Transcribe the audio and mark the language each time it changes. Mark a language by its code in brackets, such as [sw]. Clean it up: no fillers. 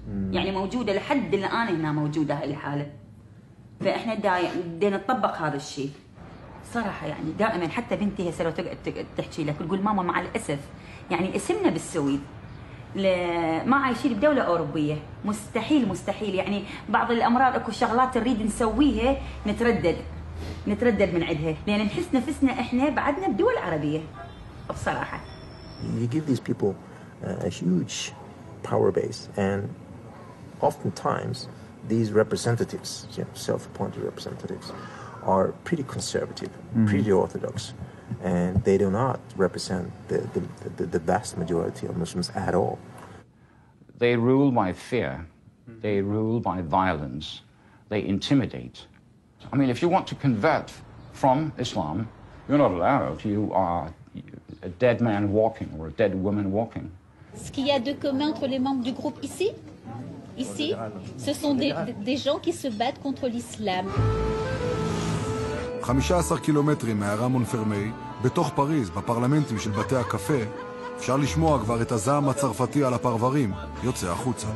[ar] يعني موجودة لحد الآن هنا موجودة هاي الحالة فإحنا دينا نطبق هذا الشيء صراحة يعني دائما حتى بنتي هسه لو تقعد تحكي لك تقول ماما مع الأسف يعني اسمنا بالسويد ما عايشين بدولة أوروبية مستحيل مستحيل يعني بعض الأمراض أكو شغلات نريد نسويها نتردد من عندها لأن نحس نفسنا إحنا بعدنا بدول عربية بصراحة. [en] You give these people a huge power base and oftentimes, these representatives, you know, self-appointed representatives, are pretty conservative, mm-hmm. pretty orthodox, and they do not represent the vast majority of Muslims at all. They rule by fear. They rule by violence. They intimidate. I mean, if you want to convert from Islam, you're not allowed. You are a dead man walking or a dead woman walking. [fr] Ce qu'il y a de commun entre les membres du groupe ici? Ici, ce sont des gens qui se battent contre l'islam. 15 kilomètres [he] מהערה מונפרמי, בתוך פריז, בפרלמנטים של בתי הקפה, אפשר לשמוע כבר את הזעם הצרפתי על הפרברים, יוצא החוצה.